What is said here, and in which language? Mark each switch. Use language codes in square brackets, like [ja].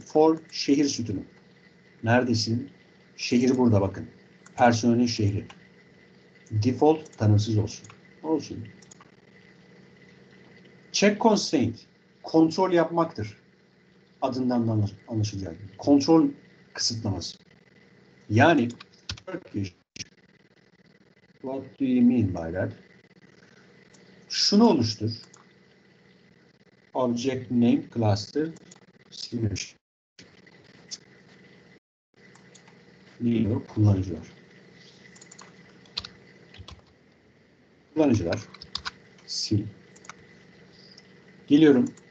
[tr] For şehir sütunu. Neredesin? Şehir burada bakın. Personelin şehri. Default tanımsız olsun. Olsun. Check constraint. Kontrol yapmaktır. Adından da anlaşılacak. Kontrol kısıtlaması. [en] Yani what do you mean by that? [tr] Şunu oluştur. [en] Object name cluster slash [tr] neyi kullanıcılar. Kullanıcılar sil. Geliyorum.